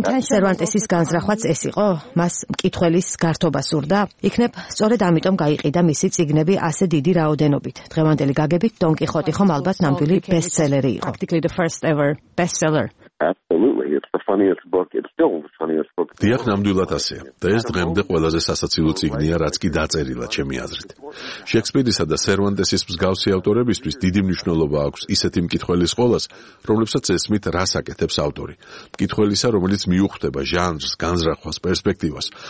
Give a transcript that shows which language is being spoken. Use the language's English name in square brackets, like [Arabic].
[Georgian] სერვანტესის განზრახვაც ეს იყო, მას მკითხველის გართობა სურდა. იქნებ სწორედ ამიტომ გაიყიდა მისი წიგნები ასე დიდი რაოდენობით. დღევანდელი გაგებით დონ კიხოტი ხომ ალბათ ნამდვილი ბესტსელერი იყო. [English] Absolutely, it's the funniest book. It's still the funniest book. [Georgian] დიახ, ნამდვილად ასეა. და ეს დღემდე ყველაზე სასაცილო წიგნია, რაც კი დაწერილა ჩემი აზრით. შექსპირისა და სერვანტესის მსგავსი ავტორებისთვის დიდი მნიშვნელობა აქვს ისეთი მკითხველის ყოლას, რომლებსაც ესმით, რას აკეთებს ავტორი. მკითხველისა, რომელიც მიუხვდება ჟანრს, განზრახვას, პერსპექტივას.